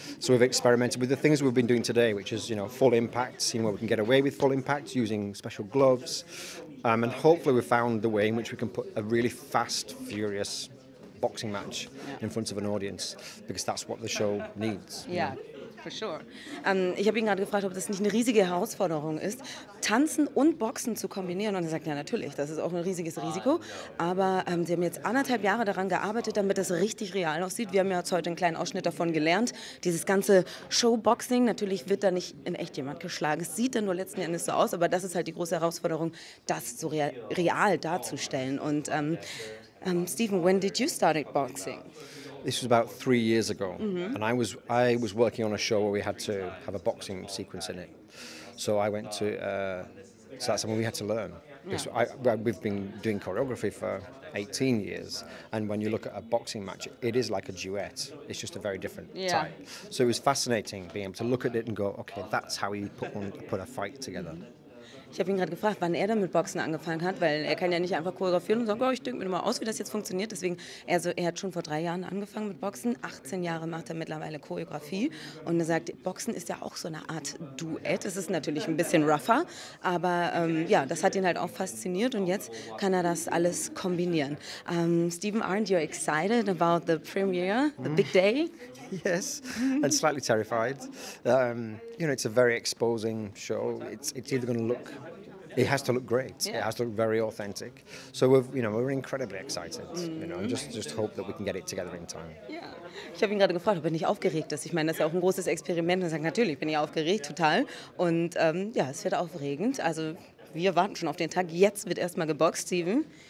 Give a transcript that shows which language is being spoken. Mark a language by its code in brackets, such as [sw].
[en] So we've experimented with the things we've been doing today, which is, you know, full impact, seeing where we can get away with full impact using special gloves. And hopefully we've found the way in which we can put a really fast, furious boxing match in front of an audience, because that's what the show needs. Yeah. You know? For sure. [de] Ich habe ihn gerade gefragt, ob das nicht eine riesige Herausforderung ist, Tanzen und Boxen zu kombinieren. Und er sagt, ja, natürlich, das ist auch ein riesiges Risiko. Aber sie haben jetzt 1,5 Jahre daran gearbeitet, damit das richtig real aussieht. Wir haben ja jetzt heute einen kleinen Ausschnitt davon gelernt. Dieses ganze Showboxing, natürlich wird da nicht in echt jemand geschlagen. Es sieht dann nur letzten Endes so aus, aber das ist halt die große Herausforderung, das so real darzustellen. [en] Und Stephen, when did you start boxing? This was about 3 years ago, mm-hmm. and I was working on a show where we had to have a boxing sequence in it. So I went to, so that's something we had to learn. Yeah. We've been doing choreography for 18 years, and when you look at a boxing match, it is like a duet. It's just a very different type. So it was fascinating being able to look at it and go, okay, that's how you put a fight together. Mm-hmm. [de] Ich habe ihn gerade gefragt, wann er damit Boxen angefangen hat, weil er kann ja nicht einfach choreografieren und sagen, oh, ich denke mir mal aus, wie das jetzt funktioniert. Deswegen, also er hat schon vor 3 Jahren angefangen mit Boxen, 18 Jahre macht er mittlerweile Choreografie und er sagt, Boxen ist ja auch so eine Art Duett. Es ist natürlich ein bisschen rougher, aber ja, das hat ihn halt auch fasziniert und jetzt kann er das alles kombinieren. [en] Stephen, aren't you excited about the premiere, the big day? Yes, and slightly terrified. You know, it's a very exposing show. It's either going to look, it has to look great. Yeah. It has to look very authentic. So we're incredibly excited. Mm. You know, and just hope that we can get it together in time. [de] Yeah, ich habe ihn gerade gefragt, ob er nicht aufgeregt ist. Ich meine, das ist ja auch ein großes Experiment. Und er sagt, natürlich bin ich aufgeregt, total. Und ja, es wird aufregend. Also Wir warten schon auf den Tag. Jetzt wird erstmal geboxt, Steven.